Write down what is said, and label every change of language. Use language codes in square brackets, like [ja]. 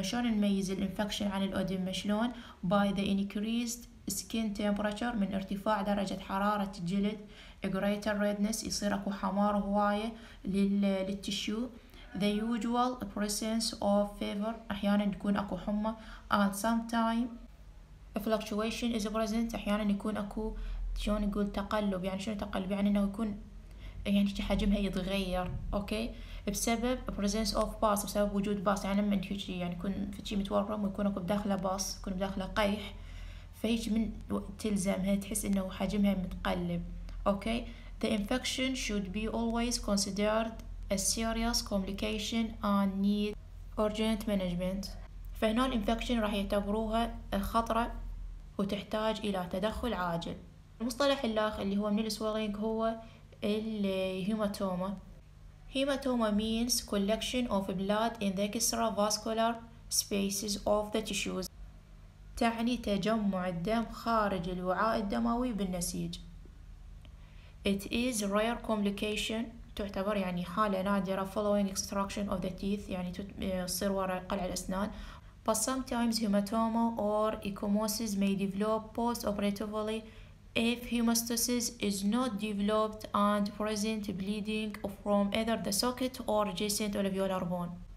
[ar] شلون نميز الانفكشن عن الادمة؟ شلون؟ [en] by the increased skin temperature [ar] من ارتفاع درجة حرارة الجلد [en] greater redness [ar] يصير اكو حمار هواية للتشو [en] the usual presence of fever [ar] احيانا يكون اكو حمى [en] and sometime fluctuation is present [ar] احيانا يكون اكو شلون نقول تقلب. يعني شنو تقلب؟ يعني انه يكون يعني حجمها يتغير اوكي بسبب [en] presence of pus [ar] بسبب وجود pus. يعني من هيجي يعني يكون في شيء متورم ويكون اكو بداخله pus يكون بداخله قيح فهيج من تلزمها تحس انه حجمها متقلب. [en] Okay, the infection should be always considered a serious complication and need urgent management. [ar] فهنا الانفكشن راح يعتبروها خطرة وتحتاج إلى تدخل عاجل. المصطلح الآخر اللي هو من السويلينج هو الهيماتوما. [en] Hematoma means collection of blood in the extravascular spaces of the tissues. [ar] تعني تجمع الدم خارج الوعاء الدموي بالنسيج. [en] It is rare complication [ar] تعتبر يعني حالة نادرة [en] following extraction of the teeth [ar] يعني تصير وراء قلع الأسنان [en] but sometimes hematoma or ecchymosis may develop postoperatively if hemostasis is not developed and present bleeding from either the socket or adjacent alveolar bone.